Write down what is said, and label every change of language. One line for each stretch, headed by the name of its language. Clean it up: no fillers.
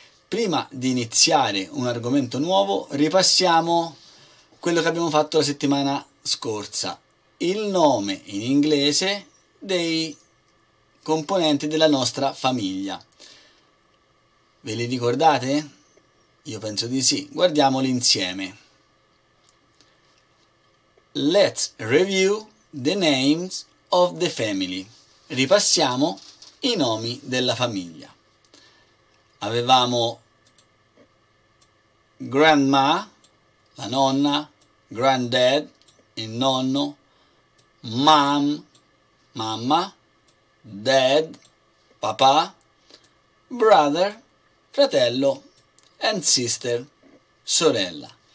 Italian: Prima di iniziare un argomento nuovo, ripassiamo quello che abbiamo fatto la settimana scorsa, il nome in inglese dei componenti della nostra famiglia. Ve li ricordate? Io penso di sì, guardiamoli insieme.
English: Let's review the names of the family.
Italian: Ripassiamo i nomi della famiglia. Avevamo grandma, la nonna, granddad, il nonno, mom, mamma, dad, papà, brother, fratello, and sister, sorella.